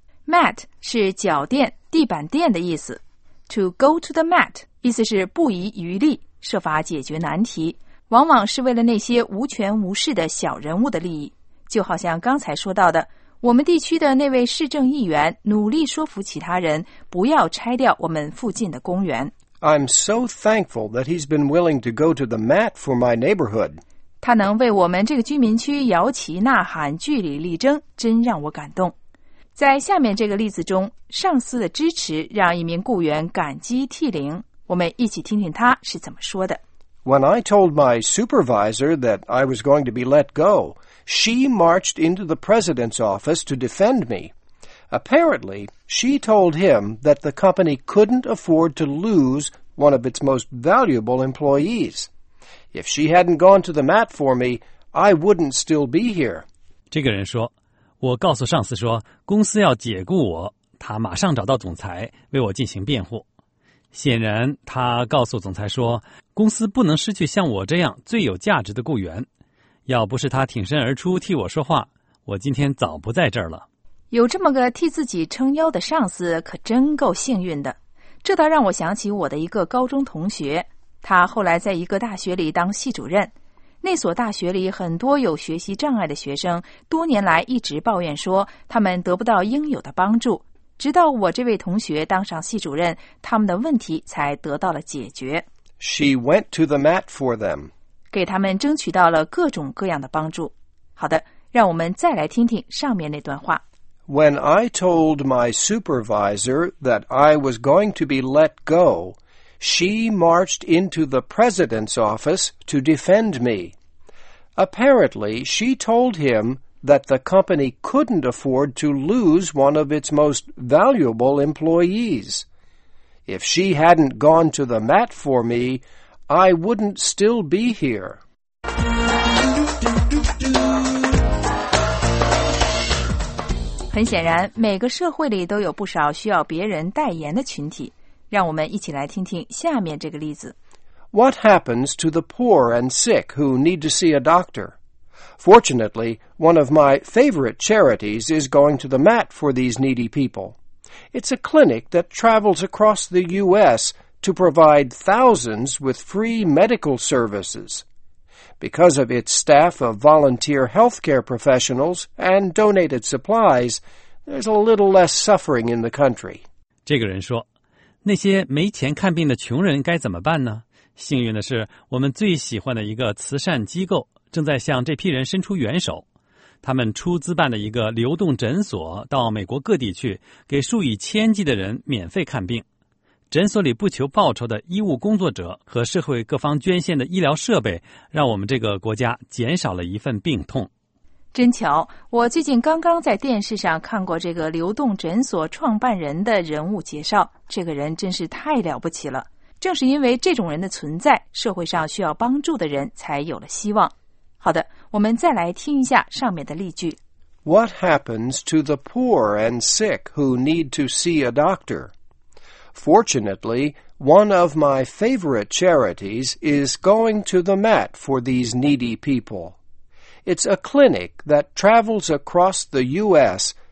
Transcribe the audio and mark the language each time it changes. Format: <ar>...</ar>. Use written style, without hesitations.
<zh>Mat 是脚垫、地板垫的意思。</zh> <en>To go to the mat</en> <zh>意思是不遗余力，设法解决难题，往往是为了那些无权无势的小人物的利益。就好像刚才说到的，我们地区的那位市政议员努力说服其他人不要拆掉我们附近的公园。</zh> <en>I'm so thankful that he's been willing to go to the mat for my neighborhood.</en> <zh>他能为我们这个居民区摇旗呐喊、据理力争，真让我感动。在下面这个例子中，上司的支持让一名雇员感激涕零。我们一起听听他是怎么说的。</zh> <en>When I told my supervisor that I was going to be let go, she marched into the president's office to defend me. Apparently, she told him that the company couldn't afford to lose one of its most valuable employees. If she hadn't gone to the mat for me, I wouldn't still be here.</en> <zh>这个人说，我告诉上司说，公司要解雇我，他马上找到总裁，为我进行辩护。显然，他告诉总裁说，公司不能失去像我这样最有价值的雇员。要不是他挺身而出替我说话，我今天早不在这儿了。有这么个替自己撑腰的上司，可真够幸运的。这倒让我想起我的一个高中同学，他后来在一个大学里当系主任。那所大学里很多有学习障碍的学生，多年来一直抱怨说，他们得不到应有的帮助。直到我这位同学当上系主任，他们的问题才得到了解决。</zh> <en>She went to the mat for them.</en> <zh>给他们争取到了各种各样的帮助。好的，让我们再来听听上面那段话。</zh> <en>When I told my supervisor that I was going to be let go, she marched into the president's office to defend me. Apparently, she told him... that the company couldn't afford to lose one of its most valuable employees. If she hadn't gone to the mat for me, I wouldn't still be here.</en> <zh>很显然，每个社会里都有不少需要别人代言的群体。让我们一起来听听下面这个例子。</zh> <en>What happens to the poor and sick who need to see a doctor? Fortunately, one of my favorite charities is going to the mat for these needy people. It's a clinic that travels across the U.S. to provide thousands with free medical services. Because of its staff of volunteer healthcare professionals and donated supplies, there's a little less suffering in the country.</en> <zh>这个人说，那些没钱看病的穷人该怎么办呢？幸运的是，我们最喜欢的一个慈善机构正在向这批人伸出援手，他们出资办的一个流动诊所到美国各地去，给数以千计的人免费看病。诊所里不求报酬的医务工作者和社会各方捐献的医疗设备，让我们这个国家减少了一份病痛。真巧，我最近刚刚在电视上看过这个流动诊所创办人的人物介绍，这个人真是太了不起了。正是因为这种人的存在，社会上需要帮助的人才有了希望。好的，我们再来听一下上面的例句。</zh> <en>What happens to the poor and sick who need to see a doctor? Fortunately, one of my favorite charities is going to the mat for these needy people. It's a clinic that travels across the U.S.</en>